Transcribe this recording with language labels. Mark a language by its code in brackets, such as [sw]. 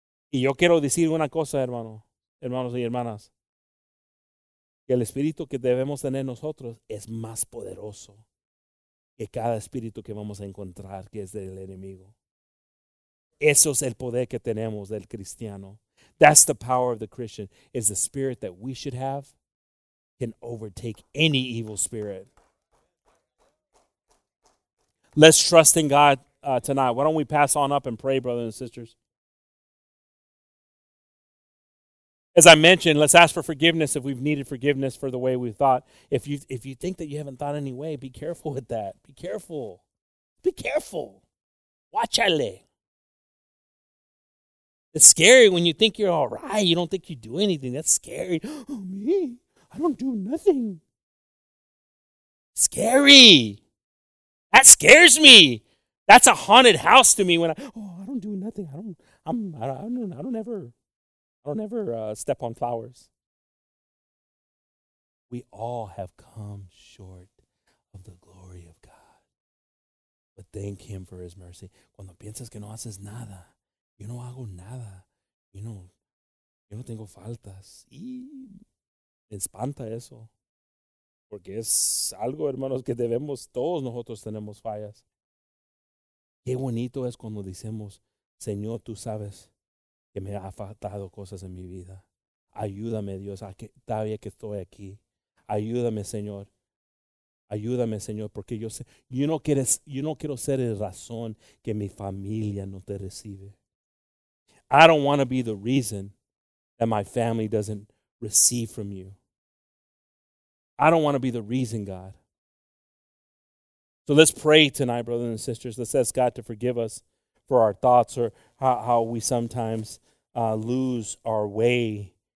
[es] Y yo quiero decir una cosa, hermanos y hermanas. Que el espíritu que debemos tener nosotros es más poderoso que cada espíritu que vamos a encontrar que es del enemigo. Eso es el poder que tenemos del cristiano. [en] That's the power of the Christian, is the spirit that we should have can overtake any evil spirit. Let's trust in God tonight. Why don't we pass on up and pray, brothers and sisters? As I mentioned, let's ask for forgiveness if we've needed forgiveness for the way we thought. If you think that you haven't thought any way, be careful with that. Be careful. Be careful. Watch out. It's scary when you think you're all right. You don't think you do anything. That's scary. Oh, me? I don't do nothing. Scary. That scares me. That's a haunted house to me when I don't do nothing. nothing. I don't ever step on flowers. We all have come short of the glory of God. But thank him for his mercy. [es] Cuando piensas que no haces nada, yo no hago nada. Yo no tengo faltas. Y me espanta eso. Porque es algo, hermanos, que debemos, todos nosotros tenemos fallas. Qué bonito es cuando decimos, Señor, tú sabes que me ha faltado cosas en mi vida. Ayúdame, Dios, a que todavía que estoy aquí. Ayúdame, Señor. Ayúdame, Señor, porque yo sé, yo no quiero ser la razón que mi familia no te recibe. [en] I don't want to be the reason that my family doesn't receive from you. I don't want to be the reason, God. So let's pray tonight, brothers and sisters. Let's ask God to forgive us for our thoughts or how we sometimes lose our way.